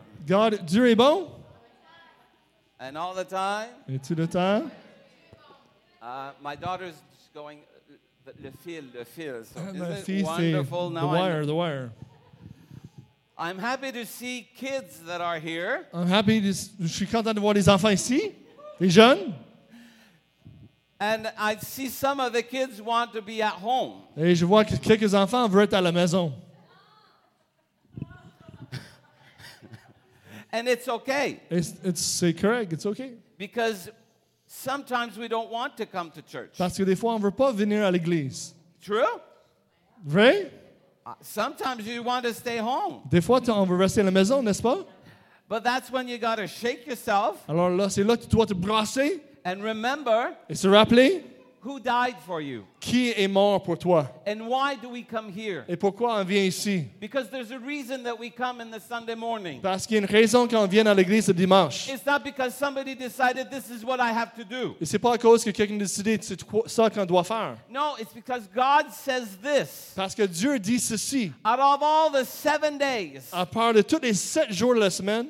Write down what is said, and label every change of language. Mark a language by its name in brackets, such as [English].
[French] God, Dieu est bon. [English] And all the time. [French] Et tout le temps. [English] My daughter's going, le fil. So is it wonderful now? The wire. I'm happy to see kids that are here. [French] Je suis content de voir les enfants ici, les jeunes. [English] And I see some of the kids want to be at home. [French] Et je vois que quelques enfants veulent être à la maison. [English] And it's okay. [French] C'est correct, it's okay. [English] Because sometimes we don't want to come to church. [French] Parce que des fois on veut pas venir à l'église. [English] True? [French] Vrai? [English] Sometimes you want to stay home. [French] Des fois, on veut rester à la maison, n'est-ce pas? [English] But that's when you got to shake yourself. [French] Alors là, c'est là que tu dois te brasser. [English] And remember. [French] Et se rappeler. [English] Who died for you? [French] Qui est mort pour toi? [English] And why do we come here? [French] Et pourquoi on vient ici? [English] Because there's a reason that we come in the Sunday morning. [French] Parce qu'il y a une raison qu'on vient à l'église le dimanche. [English] It's not because somebody decided this is what I have to do. [French] Et c'est pas à cause que quelqu'un a décidé c'est ça qu'on doit faire. [English] No, it's because God says this. [French] Parce que Dieu dit ceci. [English] Out of all the 7 days. [French] À part de tous les 7 jours de la semaine.